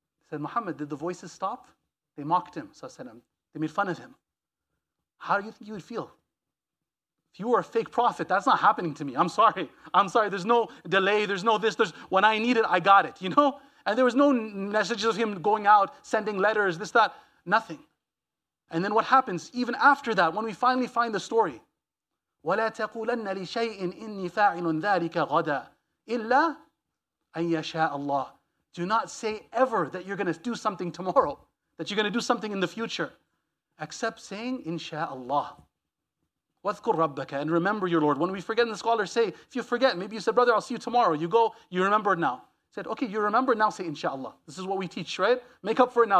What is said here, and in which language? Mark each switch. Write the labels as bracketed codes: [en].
[en] Said, Muhammad, did the voices stop? They mocked him, sallallahu alayhi wa sallam. They made fun of him. How do you think you would feel? If you were a fake prophet, that's not happening to me. I'm sorry. There's no delay. There's no this. There's when I need it, I got it, you know? And there was no messages of him going out, sending letters, this, that, nothing. And then what happens? Even after that, when we finally find the story, [ar] وَلَا تَقُولَنَّ لِشَيْءٍ إِنِّي فَاعِلٌ ذَٰلِكَ غَدًا إِلَّا أَن يَشَاءَ اللَّهُ. [en] Do not say ever that you're going to do something tomorrow, that you're going to do something in the future, except saying, inshallah. [ar] وَذْكُرْ رَبَّكَ. [en] And remember your Lord. When we forget, and the scholars say, if you forget, maybe you said, brother, I'll see you tomorrow. You go, you remember now. Said, okay, you remember now, say, inshallah. This is what we teach, right? Make up for it now.